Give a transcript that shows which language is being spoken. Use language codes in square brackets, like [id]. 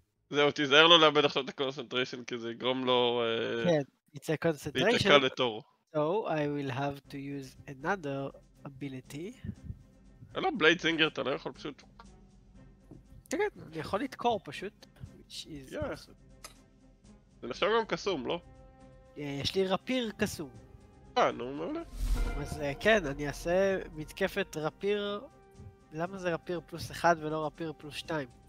[he] זהו, תיזהר לו לאבד עכשיו את הקונסנטריישן כי זה יגרום לו... כן, זה קונסנטריישן. להתקע לתור. [en] So I will have to use another ability. [he] אלא בלייד זינגר, אתה לא יכול פשוט. תגיד, אני יכול לתקור פשוט. זה נחשב גם קסום, לא? יש לי רפיר קסום. נו, מעולה. אז כן, אני אעשה מתקפת רפיר... למה זה רפיר פלוס אחד ולא רפיר פלוס שתיים?